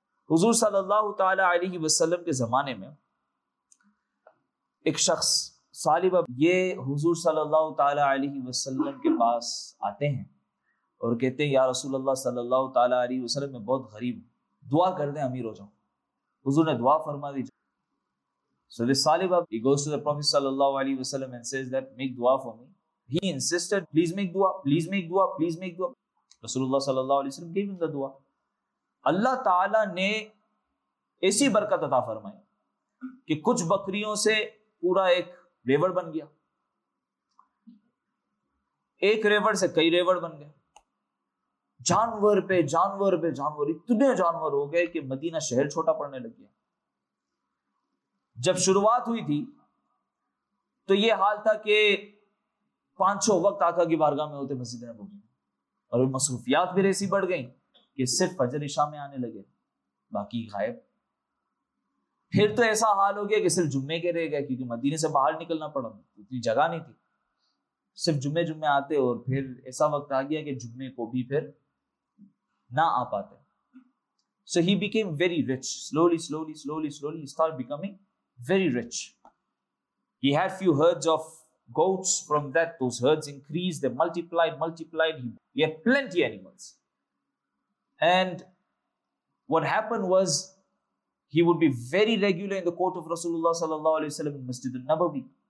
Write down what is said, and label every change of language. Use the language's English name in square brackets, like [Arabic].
[Urdu] حضور صلی اللہ تعالی علیہ وسلم کے زمانے میں ایک شخص صالبہ، یہ حضور صلی اللہ تعالی علیہ وسلم کے پاس آتے ہیں اور کہتے ہیں، یا رسول اللہ صلی اللہ تعالیٰ علیہ وسلم، میں بہت غریب ہوں، دعا کر دیں امیر ہو جاؤں. حضور نے دعا فرما دی. [English] So this Salib, he goes to the Prophet sallallahu alaihi wasallam and says that make dua for me. He insisted, please make dua, please make dua, please make dua. Rasulullah sallallahu alaihi wasallam gave him the dua. [Urdu] Allah Ta'ala نے ایسی برکت عطا فرمائی کہ کچھ بکریوں سے پورا ایک ریوڑ بن گیا، ایک ریوڑ سے کئی ریوڑ بن گئے، جانور پہ جانور پہ جانور، اتنے جانور ہو گئے کہ مدینہ شہر چھوٹا پڑنے لگ گیا. جب شروعات ہوئی تھی تو یہ حال تھا کہ پانچ چھ وقت آقا کی بارگاہ میں ہوتے مسجد نبوی، اور مصروفیات پھر ایسی بڑھ گئیں کہ صرف فجر عشاء میں آنے لگے، باقی غائب. پھر تو ایسا حال ہو گیا کہ صرف جمعے کے رہ گئے، کیونکہ مدینے سے باہر نکلنا پڑا، اتنی جگہ نہیں تھی، صرف جمعے جمعے آتے، اور پھر ایسا وقت آ گیا کہ جمعے کو بھی پھر نہ آ پاتے. [English] So he became very rich, slowly slowly slowly slowly start becoming very rich. He had few herds of goats. From that, those herds increased, they multiplied, he had plenty animals. And what happened was, he would be very regular in the court of Rasulullah sallallahu alaihi wasallam in Masjid al-Nabawi.